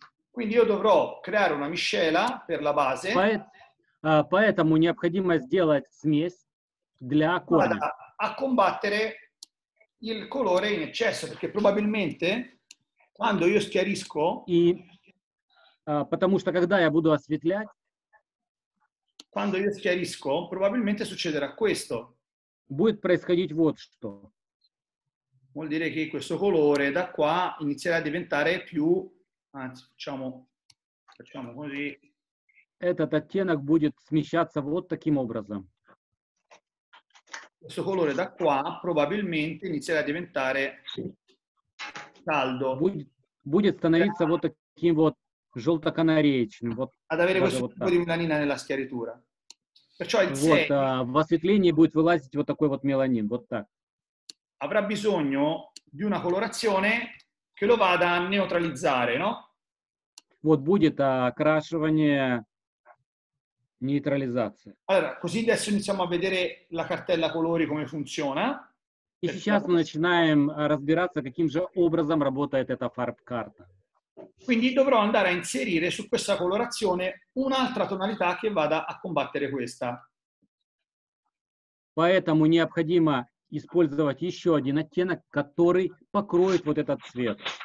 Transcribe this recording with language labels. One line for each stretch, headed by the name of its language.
Italian: Quindi io dovrò creare una miscela per la base.
Russian: Поэтому необходимо сделать смесь для корня.
Italian: A combattere il colore in eccesso, perché probabilmente quando io schiarisco.
Russian: И потому что когда я буду осветлять.
Italian: Quando io schiarisco, probabilmente succederà questo.
Russian: Будет происходить вот что.
Italian: Vuol dire che questo colore da qua inizierà a diventare più, anzi, facciamo così.
Russian: Этот оттенок будет смещаться вот таким образом.
Italian: Questo colore da qua probabilmente inizierà a diventare caldo.
Russian: Будет становиться вот таким вот желто-канареечным. Вот,
Italian: ad avere questo вот tipo di меланина nella schiaritura. Perciò il 6.
Russian: Вот, в осветлении будет вылазить вот такой вот меланин, вот так.
Italian: Avrà bisogno di una colorazione che lo vada a neutralizzare, no?
Russian: Вот будет окрашивание нейтрализации.
Italian: Allora, così adesso iniziamo a vedere la cartella colori come funziona.
Russian: И сейчас мы начинаем разбираться, каким же образом работает эта фарб-карта.
Italian: Quindi dovrò andare a inserire su questa colorazione un'altra tonalità che vada a combattere questa.
Russian: Поэтому необходимо использовать еще один оттенок, который покроет вот этот цвет.